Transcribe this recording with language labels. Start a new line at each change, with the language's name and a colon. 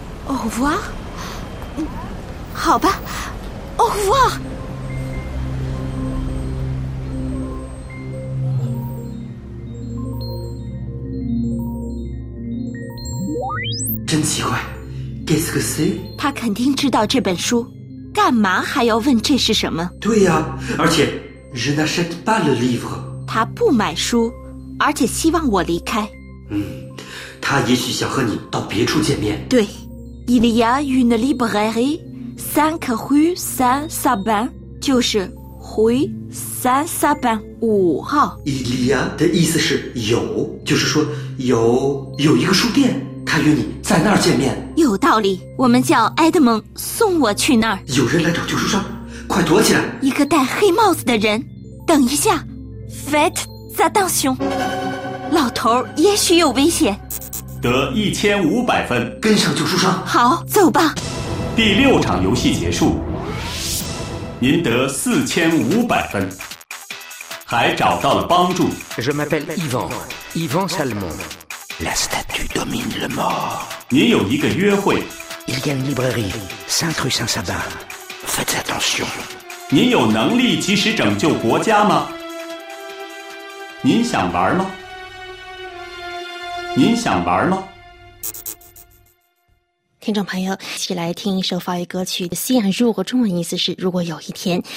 French: Au revoir.
Chinese: 好吧
French: au revoir.
Chinese: 真奇怪
French: ，qu'est-ce que c'est？
Chinese: 他肯定知道这本书，干嘛还要问这是什么？对呀、啊，而且
French: je n'achète pas le livre。
Chinese: 他不买书，而且希望我离开。他也许想和你到别处见面。对 ，
French: il y a une librairie cinq rue Saint-Sabin，
Chinese: 就是 rue Saint-Sabin 五号。
French: il y a
Chinese: 的意思是有，就是说有一个书店，他约你在那儿见面。有道理，我们叫埃德蒙送我去那儿。有人来找旧书商，快躲起来！一个戴黑帽子的人，等一下 ，
French: faites attention，
Chinese: 老头也许有危险。得1500分，跟上旧书商。好，走吧。第六场游戏结束，您得4500分，还找到了帮助。
French: Je m'appelle Ivan, Ivan Salmon. La statue domine le mort.
Chinese: 您有一个约会。
French: Il y a une librairie, 5 rue Saint-Sabin. Faites attention.
Chinese: 您有能力及时拯救国家吗？您想玩吗？您想玩吗？听众朋友，一起来听一首法语歌曲《夕阳如果》，中文意思是如果有一天。